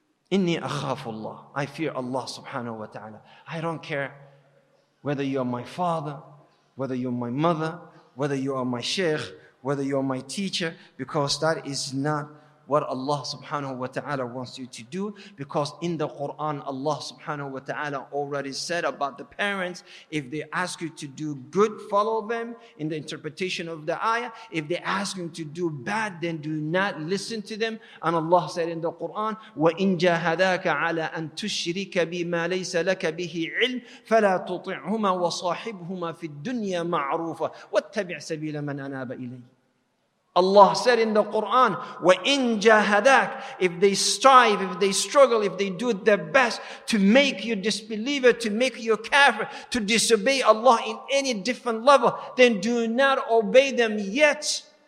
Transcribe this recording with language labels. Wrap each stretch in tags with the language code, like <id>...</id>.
<en>Inni akhafullah. I fear Allah subhanahu wa ta'ala. I don't care whether you're my father, whether you're my mother, whether you are my sheikh, whether you're my teacher, because that is not what Allah subhanahu wa ta'ala wants you to do. Because in the Quran, Allah subhanahu wa ta'ala already said about the parents, if they ask you to do good, follow them in the interpretation of the ayah. If they ask you to do bad, then do not listen to them. And Allah said in the Quran,</en> <ar>وَإِن جَاهَدَاكَ عَلَىٰ أَن تُشْرِكَ بِمَا لَيْسَ لَكَ بِهِ عِلْمٍ فَلَا تُطِعْهُمَا وَصَاحِبْهُمَا فِي الدُّنْيَا مَعْرُوفًا وَاتَّبِعْ سَبِيلَ مَنْ أَنَابَ إِلَيْهِ.</ar> <en>Allah said in the Quran,</en> <ar>وَإِن جَاهَدَاكَ,</ar> <en>if they strive, if they struggle, if they do their best to make you disbeliever, to make you kafir, to disobey Allah in any different level, then do not obey them yet.</en>